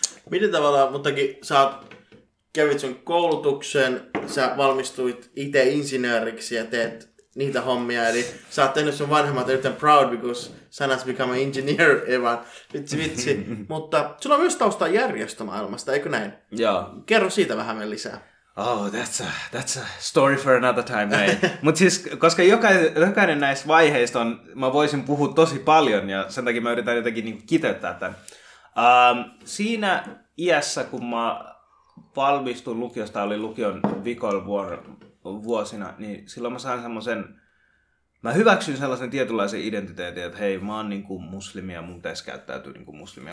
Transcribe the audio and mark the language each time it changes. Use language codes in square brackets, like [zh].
[fi] Miten tavallaan, muttakin sä kävit sun koulutuksen, sä valmistuit itse insinööriksi ja teet niitä hommia. Eli sä oot tehnyt sun vanhemmat erittäin [en] proud because son has become an engineer, [fi] Evan. Vitsi. Mutta sulla on myös tausta järjestömaailmasta, eikö näin? Joo. Kerro siitä vähän meille lisää. [en] Oh, that's a story for another time, mate. [fi] Mutta siis, koska jokainen näistä vaiheista on, mä voisin puhua tosi paljon, ja sen takia mä yritän jotenkin niin kiteyttää tämän. Siinä iässä, kun mä valmistuin lukiosta, oli lukion vikoilla vuosina, niin silloin mä sain semmoisen, mä hyväksyn sellaisen tietynlaisen identiteetin, että hei, mä oon niin kuin muslimi ja mun pitäisi käyttäytyä niin kuin muslimi.